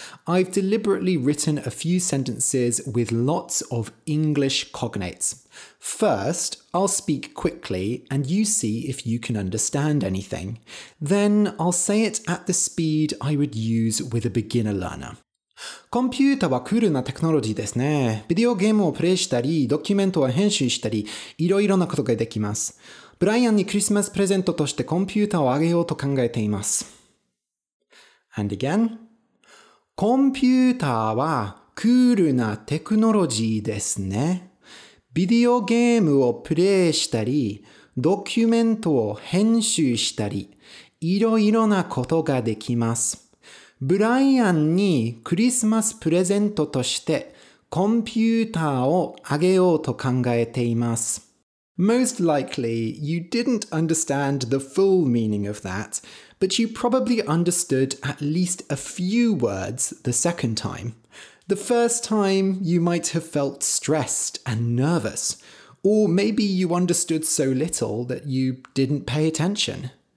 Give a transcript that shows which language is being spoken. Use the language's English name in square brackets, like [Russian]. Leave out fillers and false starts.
[English] I've deliberately written a few sentences with lots of English cognates. First, I'll speak quickly and you see if you can understand anything. Then I'll say it at the speed I would use with a beginner learner. [Japanese] コンピュータはクールなテクノロジーですね。ビデオゲームをプレイしたり、ドキュメントを編集したり、いろいろなことができます。ブライアンにクリスマスプレゼントとしてコンピュータをあげようと考えています。 [English] And again. [Japanese] コンピュータはクールなテクノロジーですね。ビデオゲームをプレイしたり、ドキュメントを編集したり、いろいろなことができます。ブライアンにクリスマスプレゼントとしてコンピューターをあげようと考えています。 [English] Most likely, you didn't understand the full meaning of that, but you probably understood at least a few words the second time. The first time, you might have felt stressed and nervous, or maybe you understood so little that you didn't pay attention.